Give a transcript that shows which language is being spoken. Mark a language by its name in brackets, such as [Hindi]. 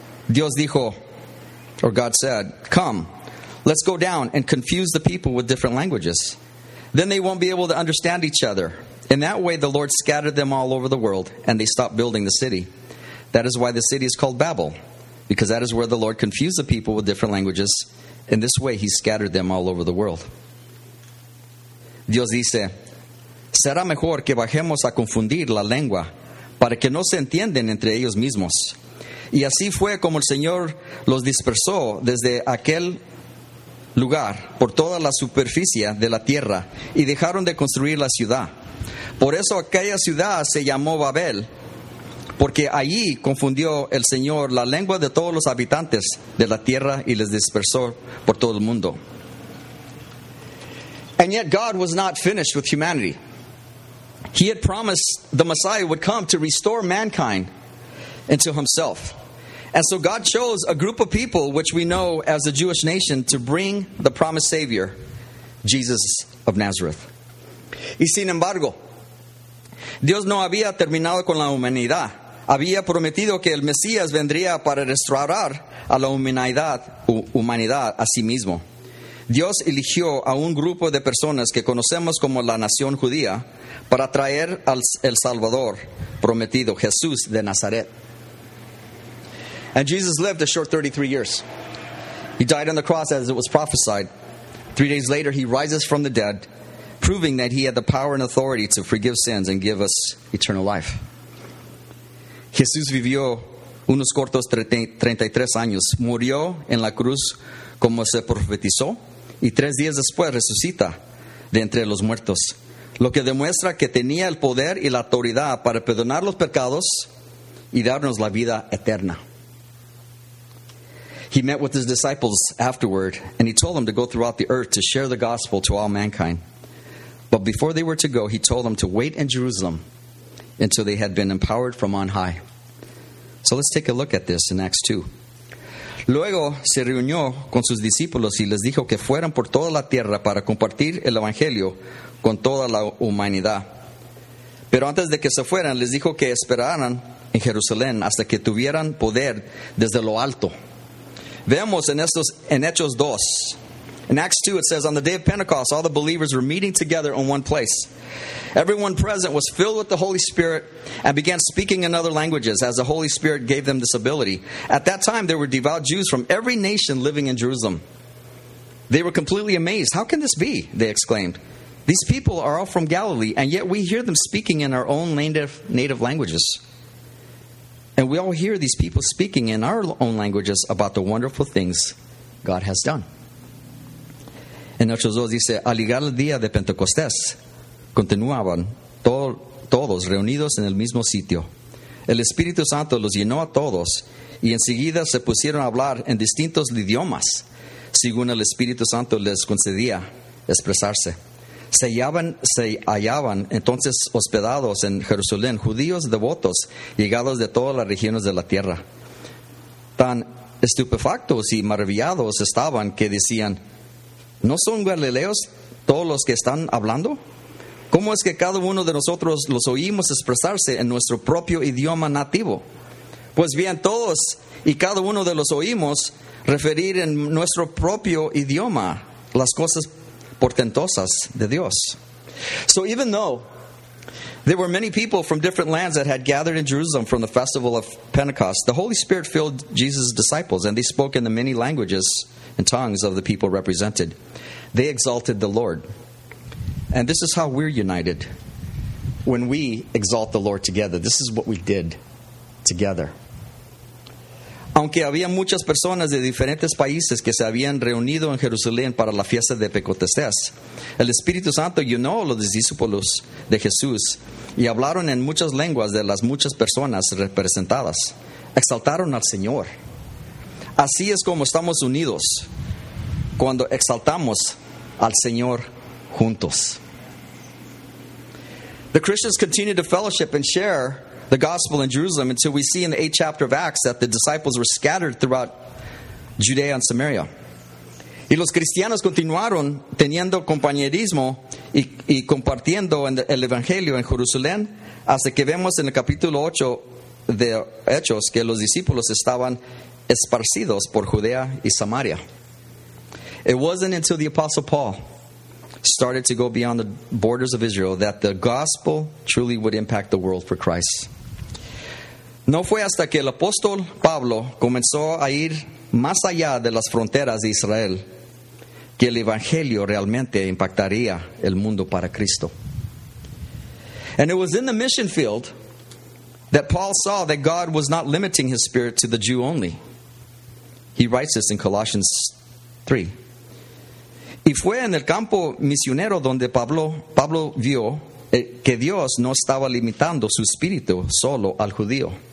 [Spanish] Dios dijo, [English] or God said, come, let's go down and confuse the people with different languages. Then they won't be able to understand each other. In that way, the Lord scattered them all over the world, and they stopped building the city. That is why the city is called Babel, because that is where the Lord confused the people with different languages. In this way, he scattered them all over the world. [Spanish] Dios dice, será mejor que bajemos a confundir la lengua para que no se entiendan entre ellos mismos. Y así fue como el Señor los dispersó desde aquel lugar por toda la superficie de la tierra y dejaron de construir la ciudad. Por eso aquella ciudad se llamó Babel, porque allí confundió el Señor la lengua de todos los habitantes de la tierra y les dispersó por todo el mundo. [English] And yet God was not finished with humanity. He had promised the Messiah would come to restore mankind into himself. And so God chose a group of people, which we know as the Jewish nation, to bring the promised Savior, Jesus of Nazareth. [Spanish] Y sin embargo, Dios no había terminado con la humanidad. Había prometido que el Mesías vendría para restaurar a la humanidad a sí mismo. Dios eligió a un grupo de personas que conocemos como la nación judía para traer al el Salvador prometido, Jesús de Nazaret. [English] And Jesus lived a short 33 years. He died on the cross as it was prophesied. 3 days later, he rises from the dead, proving that he had the power and authority to forgive sins and give us eternal life. [Spanish] Jesús vivió unos cortos 33 años. Murió en la cruz como se profetizó. Y 3 días después resucita de entre los muertos. Lo que demuestra que tenía el poder y la autoridad para perdonar los pecados y darnos la vida eterna. [English] He met with his disciples afterward, and he told them to go throughout the earth to share the gospel to all mankind. But before they were to go, he told them to wait in Jerusalem until they had been empowered from on high. So let's take a look at this in Acts 2. [Spanish] Luego se reunió con sus discípulos y les dijo que fueran por toda la tierra para compartir el evangelio con toda la humanidad. Pero antes de que se fueran, les dijo que esperaran en Jerusalén hasta que tuvieran poder desde lo alto. Vemos en Hechos 2. [English] In Acts 2 it says, on the day of Pentecost, all the believers were meeting together in one place. Everyone present was filled with the Holy Spirit and began speaking in other languages as the Holy Spirit gave them this ability. At that time, there were devout Jews from every nation living in Jerusalem. They were completely amazed. How can this be? They exclaimed. These people are all from Galilee, and yet we hear them speaking in our own native languages. And we all hear these people speaking in our own languages about the wonderful things God has done. [Spanish] En Hechos 2 dice, al llegar el día de Pentecostés, continuaban todos reunidos en el mismo sitio. El Espíritu Santo los llenó a todos y enseguida se pusieron a hablar en distintos idiomas, según el Espíritu Santo les concedía expresarse. se hallaban entonces hospedados en Jerusalén judíos devotos llegados de todas las regiones de la tierra. Tan estupefactos y maravillados estaban que decían: ¿no son galileos todos los que están hablando? ¿Cómo es que cada uno de nosotros los oímos expresarse en nuestro propio idioma nativo? Pues bien, todos y cada uno de los oímos referir en nuestro propio idioma las cosas portentosas de Dios. [English] So even though there were many people from different lands that had gathered in Jerusalem from the festival of Pentecost, the Holy Spirit filled Jesus' disciples, and they spoke in the many languages and tongues of the people represented. They exalted the Lord. And this is how we're united, when we exalt the Lord together. This is what we did together. [Spanish] Aunque había muchas personas de diferentes países que se habían reunido en Jerusalén para la fiesta de Pentecostés, el Espíritu Santo llenó a los discípulos de Jesús y hablaron en muchas lenguas de las muchas personas representadas. Exaltaron al Señor. Así es como estamos unidos, cuando exaltamos al Señor juntos. [English] The Christians continue to fellowship and share the gospel in Jerusalem until we see in the 8th chapter of Acts that the disciples were scattered throughout Judea and Samaria. [Spanish] Y los cristianos continuaron teniendo compañerismo y compartiendo el evangelio en Jerusalén hasta que vemos en el capítulo 8 de Hechos que los discípulos estaban esparcidos por Judea y Samaria. [English] It wasn't until the Apostle Paul started to go beyond the borders of Israel that the gospel truly would impact the world for Christ. [Spanish] No fue hasta que el apóstol Pablo comenzó a ir más allá de las fronteras de Israel que el evangelio realmente impactaría el mundo para Cristo. [English] And it was in the mission field that Paul saw that God was not limiting his spirit to the Jew only. He writes this in Colossians 3. [Spanish] Y fue en el campo misionero donde Pablo vio que Dios no estaba limitando su espíritu solo al judío.